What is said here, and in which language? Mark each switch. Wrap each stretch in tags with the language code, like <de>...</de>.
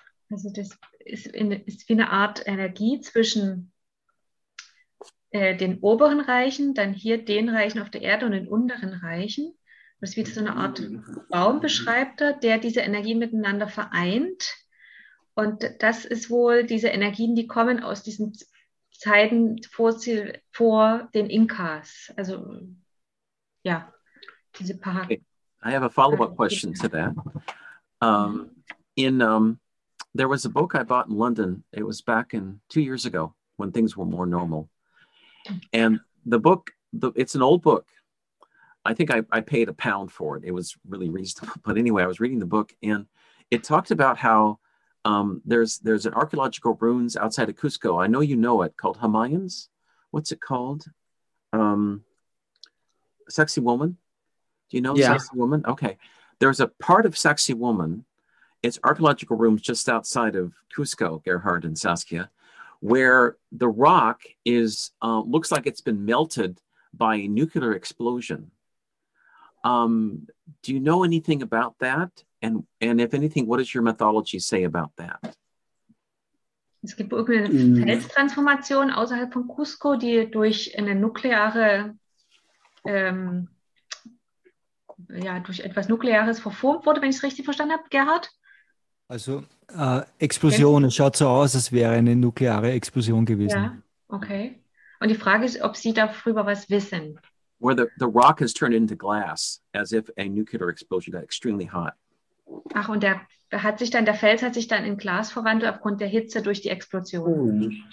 <de>Also das ist wie eine Art Energie zwischen den oberen Reichen, dann hier den Reichen auf der Erde und den unteren Reichen. Das ist wie so eine Art Baumbeschreibter, der diese Energien miteinander vereint. Und das ist wohl diese Energien, die kommen aus diesen Zeiten vor den Inkas. Also ja, diese paar.</de> <en>Okay. I have a follow-up question to that. There was a book I bought in London. It was back in 2 years ago when things were more normal. And the book, it's an old book. I think I paid £1 for it. It was really reasonable. But anyway, I was reading the book and it talked about how there's an archaeological ruins outside of Cusco. I know you know it, called Hamayans. What's it called? Sexy Woman. Do you know Sexy Woman? Okay. There's a part of Sexy Woman, it's archaeological rooms just outside of Cusco, Gerhard and Saskia, where the rock is looks like it's been melted by a nuclear explosion. Do you know anything about that? And if anything, what does your mythology say about that?</en> <de>Es gibt irgendeine Felstransformation außerhalb von Cusco, die durch eine nukleare durch etwas Nukleares verformt wurde, wenn ich es richtig verstanden habe, Gerhard? Also Explosion, es schaut so aus, als wäre eine nukleare Explosion gewesen. Ja, okay. Und die Frage ist, ob Sie darüber was wissen.</de> <en>where the rock has turned into glass, as if a nuclear explosion got extremely hot.</en> <de>Ach, und der hat sich dann, der Fels hat sich dann in Glas verwandelt aufgrund der Hitze durch die Explosion.</de>